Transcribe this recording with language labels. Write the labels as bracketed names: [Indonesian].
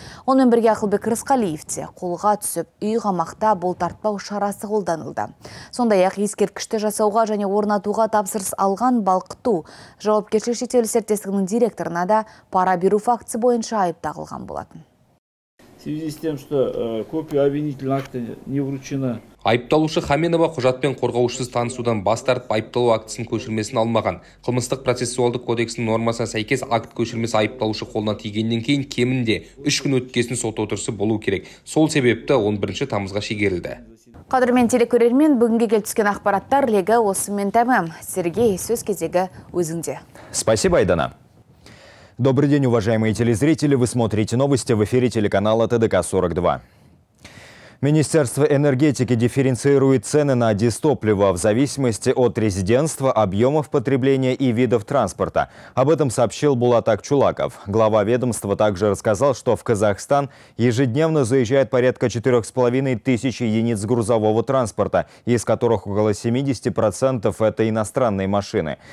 [Kazakh] Онымен бірге Ақылбек Рысқалиев те қолға түсіп, үй қамақта бұлтартпау шарасы қолданылды. Сондай-ақ ескерткішті жасауға және орнатуға тапсырыс алған Балқыту жауапкершілігі шектеулі серіктестігінің директорына да пара беру фактісі бойынша айып тағылған болатын. [Russian] В связи с тем, что копия обвинительного акта не вручена. [Kazakh] Айыпталушы Хаменова құжатпен қорғаушысыз танысудан бас тартып, айыпталу актісін көшірмесін алмаған. Қылмыстық процессуалдық кодексінің нормасына сәйкес акт көшірмесі айыпталушы қолына тигеннен кейін кемінде 3 күн өткесін сот отырысы болу керек. Сол себепті 11 тамызға шегерілді. Қадірмен телекөрермен, бүгінге келіп түскен ақпараттар легі осымен тәмам. Сергей, сөз кезегі өзіңде. [Russian] Спасибо, Айдана. Добрый день, уважаемые телезрители. Вы смотрите новости в эфире телеканала ТДК-42. Министерство энергетики дифференцирует цены на дизтопливо в зависимости от резидентства, объемов потребления и видов транспорта. Об этом сообщил Булат Акчулаков. Глава ведомства также рассказал, что в Казахстан ежедневно заезжает порядка 4500 единиц грузового транспорта, из которых около 70% – это иностранные машины.